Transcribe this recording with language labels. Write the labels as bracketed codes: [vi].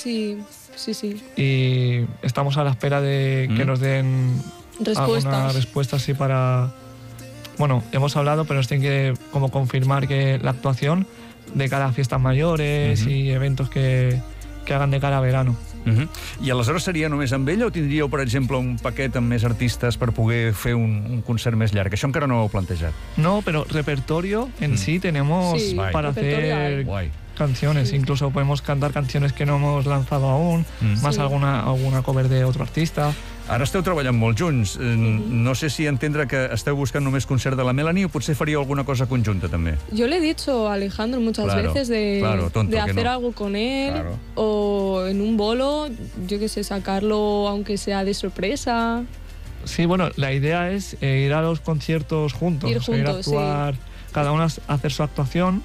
[es] Sí, sí, sí. Y estamos a la espera de que nos den alguna respuesta así para... Bueno, hemos hablado, pero nos tienen que como confirmar que la actuación de cara a fiestas mayores y eventos que hagan de cara a verano. [ca] I aleshores seria només amb ella o tindríeu, per exemple, un paquet amb més artistes per poder fer un concert més llarg? Això encara no ho heu plantejat. [es] No, [ca] però [es] repertorio en sí tenemos sí, para hacer guay. Canciones. Sí. Incluso podemos cantar canciones que no hemos lanzado aún, más sí. alguna cover de otro artista. [ca] Ara esteu treballant molt junts. No sé si entendre que esteu buscant només concert de la Melanie o potser faríeu alguna cosa conjunta, també. [es] Yo le he dicho a Alejandro muchas veces de hacer algo con él o en un bolo, yo qué sé, sacarlo aunque sea de sorpresa. Sí, bueno, la idea es ir a los conciertos juntos. Ir juntos, ir a actuar, cada uno a hacer su actuación.